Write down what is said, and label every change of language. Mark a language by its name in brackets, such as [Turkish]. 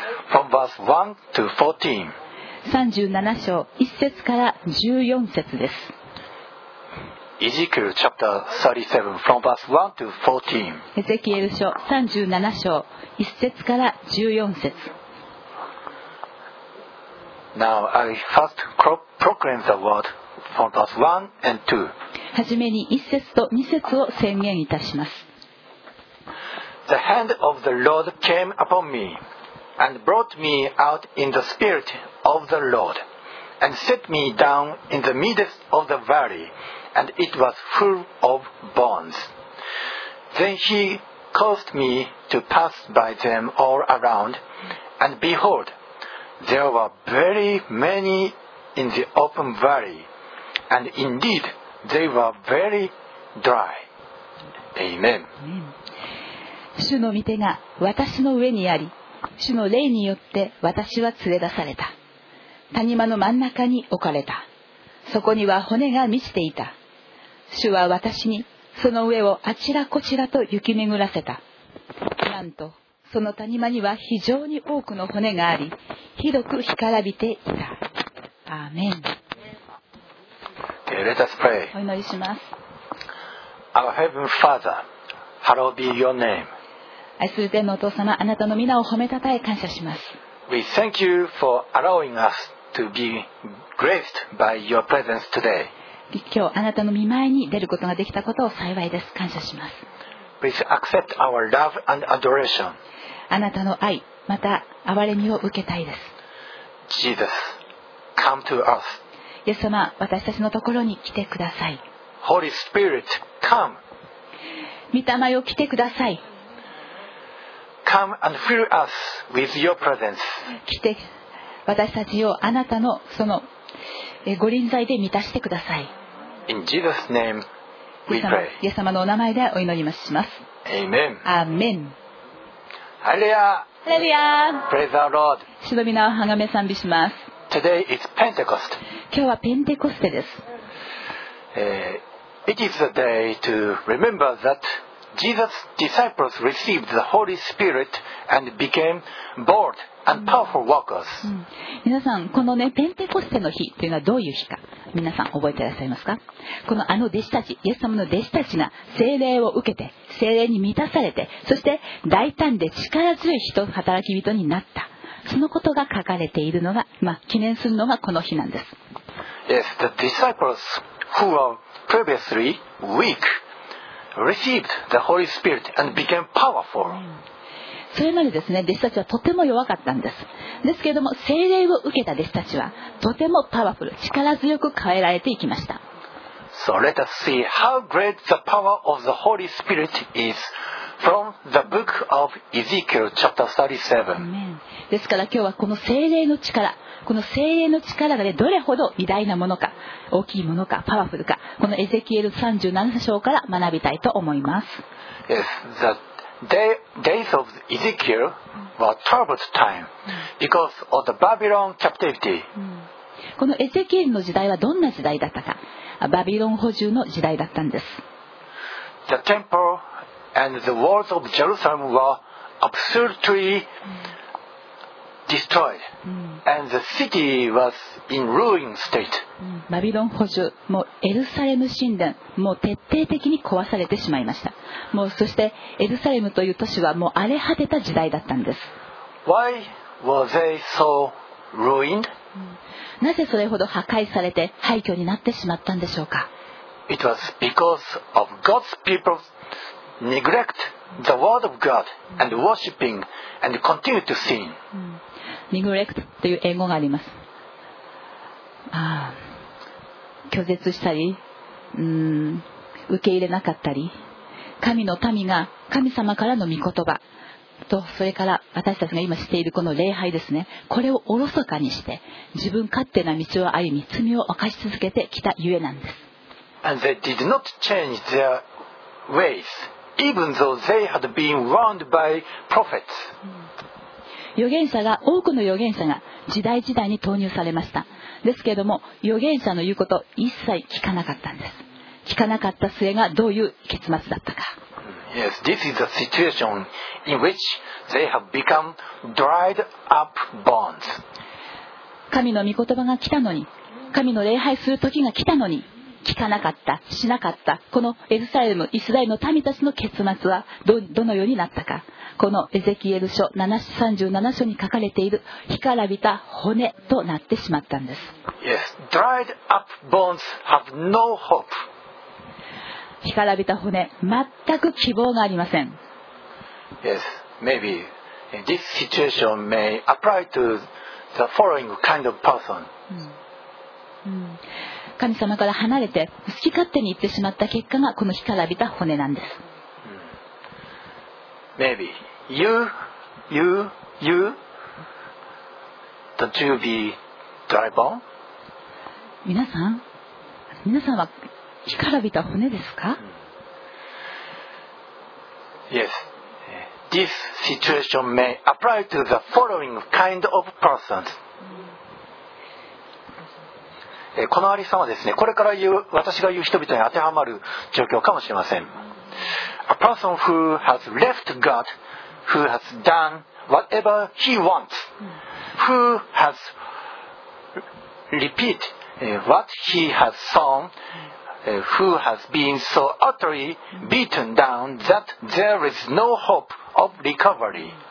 [English] From verse 1 to 14. [Japanese] 37章1節から14節です。 [English] Ezekiel chapter 37 from verse 1 to 14. [Japanese] エゼキエル書37章1節から14節。 [English] Now I first proclaim the word from verse 1 and 2. [Japanese] はじめに1節と2節を宣言いたします。 [English] The hand of the Lord came upon me, and brought me out in the spirit of the Lord, and set me down in the midst of the valley, and it was full of bones. Then he caused me to pass by them all around, and behold, there were very many in the open valley, and indeed they were very dry. Amen. [Japanese] 主の御手が私の上にあり、主の霊によって私は連れ出された。谷間の真ん中に置かれた。そこには骨が満ちていた。主は私にその上をあちらこちらと行き巡らせた。なんとその谷間には非常に多くの骨があり、ひどく干からびていた。アーメン。 [English] Let us pray. [Japanese] お祈りします。 [English] Our Heavenly Father, Hallowed be your name. [Japanese] 愛する天のお父様、あなたの皆を褒めたたえ感謝します。 [English] We thank you for allowing us to be graced by your presence today. [Japanese] 今日あなたの御前に出ることができたことを幸いです。感謝します。 [English] Please accept our love and adoration. [Japanese] あなたの愛また憐れみを受けたいです。 [English] Jesus, come to us. [Japanese] イエス様、私たちのところに来てください。 [English] Holy Spirit, come. [Japanese] 御霊よ、来てください。 [English] Come and fill us with your presence. [Japanese] 来て私たちをあなたのそのご臨在で満たしてください。 [English] In Jesus' name we pray. [Japanese] イエス様のお名前でお祈りします。 [English] Amen. Amen. Hallelujah. Hallelujah. Praise the Lord. [Japanese] 主の皆をはがめ賛美します。 [English] Today is Pentecost. [Japanese] 今日はペンテコステです。 [English] It is the day to remember that. Jesus' disciples received the Holy Spirit and became bold and powerful workers. [Japanese] 皆さん、このね、ペンテコステの日というのはどういう日か、皆さん覚えていらっしゃいますか？このあの弟子たち、イエス様の弟子たちが聖霊を受けて、聖霊に満たされて、そして大胆で力強い人、働き人になった。そのことが書かれているのが、まあ、記念するのがこの日なんです。 [English] Yes, the disciples who were previously weak. Received the Holy Spirit and became powerful. [Japanese] それまでですね、弟子たちはとても弱かったんです。ですけれども、聖霊を受けた弟子たちはとてもパワフル、力強く変えられていきました。 [English] So let us see how great the power of the Holy Spirit is from the book of Ezekiel chapter 37. [Japanese] ですから今日はこの聖霊の力、この聖霊の力が、ね、どれほど偉大なものか、大きいものか、パワフルか、このエゼキエル37章から学びたいと思います。 [English] Yes, the days of Ezekiel were troubled time because of the Babylon captivity. [Japanese] このエゼキエルの時代はどんな時代だったか。バビロン捕囚の時代だったんです。 [English] The temple and the walls of Jerusalem were absolutely destroyed. And the city was in ruined state. [Japanese] バビロン捕囚、もうエルサレム神殿、もう徹底的に壊されてしまいました。もうそしてエルサレムという都市はもう荒れ果てた時代だったんです。 [English] Why were they so ruined? [Japanese] なぜそれほど破壊されて廃墟になってしまったんでしょうか。 [English] It was because of God's people neglect the word of God and worshiping and continue to sin. [Japanese] Neglect という英語があります。ああ、拒絶したり、受け入れなかったり、神の民が神様からの御言葉と、それから私たちが今しているこの礼拝ですね、これをおろそかにして、自分勝手な道を歩み、罪を犯し続けてきたゆえなんです。 [English] And they did not change their ways even though they had been warned by prophets. [Japanese] 預言者が、多くの預言者が時代時代に投入されました。ですけれども、預言者の言うこと一切聞かなかったんです。聞かなかった末がどういう結末だったか。 [English] Yes, this is a situation in which they have become dried up bones. [Japanese] 神の御言葉が来たのに、神の礼拝する時が来たのに、聞かなかった、しなかった、このエルサレム、イスラエルの民たちの結末は どのようになったか。このエゼキエル書37章に書かれている干からびた骨となってしまったんです。 [English] Yes, dried up bones have no hope. [Japanese] 干からびた骨、全く希望がありません。 [English] Yes, maybe this situation may apply to the following kind of person. [Japanese] 神様から離れて好き勝手に行ってしまった結果がこの干からびた骨なんです。 [English] Maybe you don't you be dry bone? [Japanese] 皆さんは干からびた骨ですか？ [English] Yes, this situation may apply to the following kind of persons. [Japanese] このありさまですね、これから言う私が言う人々に当てはまる状況かもしれません。 [English] A person who has left God, who has done whatever he wants, who has repeated what he has sown, who has been so utterly beaten down that there is no hope of recovery.